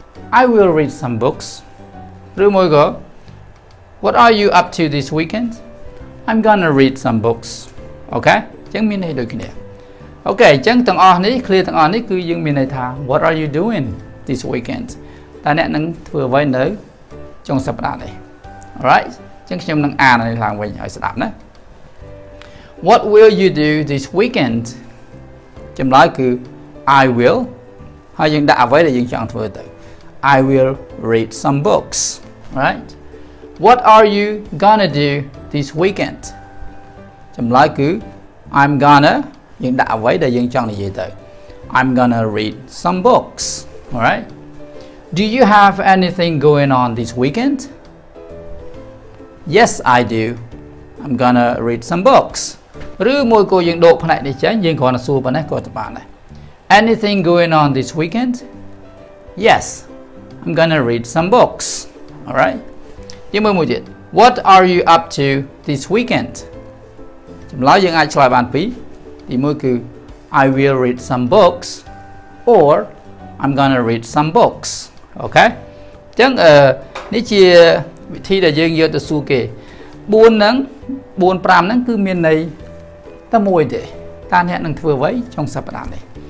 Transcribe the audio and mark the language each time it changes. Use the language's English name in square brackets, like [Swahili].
[English] I will read some books [Khmer] ឬមួយក៏ [English] What are you up to this weekend? I'm gonna read some books. [Khmer] Okay? ចឹងមានន័យដូចគ្នា. Okay, ចឹងទាំងអស់នេះ clear ទាំងអស់នេះគឺយើងមានន័យថា [English] What are you doing this weekend? [Khmer] តើអ្នកនឹងធ្វើអ្វីនៅចុងសប្តាហ៍នេះ? [English] All right? [Khmer] ចឹងខ្ញុំនឹងអាននេះឡើងវិញឲ្យស្ដាប់ណា. [English] What will you do this weekend? [Khmer] ចម្លើយគឺ [English] I will [Khmer] ហើយយើងដាក់អ្វីដែលយើងចង់ធ្វើទៅ. [English] I will read some books. Right? What are you gonna do this weekend? [Khmer] ចម្លើយគឺ I'm gonna យើងដាក់អ្វីដែលយើងចង់និយាយទៅ [English] I'm gonna read some books. All right? Do you have anything going on this weekend? Yes, I do. I'm gonna read some books. [Khmer] ឬមួយក៏យើងដកផ្នែកនេះចេញយើងគ្រាន់តែសួរប៉ុណ្ណេះក៏ទៅបានដែរ [English] Anything going on this weekend? Yes. I'm gonna read some books. All right? [Khmer] ទីមួយមួយទៀត [English] What are you up to this weekend? [Khmer] ចម្លើយយើងអាចឆ្លើយបានពីរទីមួយគឺ [English] I will read some books [Khmer] or I'm gonna read some books okay ចឹងនេះជាវិធីដែលយើងយកទៅសួរគេ4ហ្នឹង4 5ហ្នឹងគឺមានន័យតែមួយទេតើអ្នកនឹងធ្វើអ្វីចុងសប្តាហ៍នេះ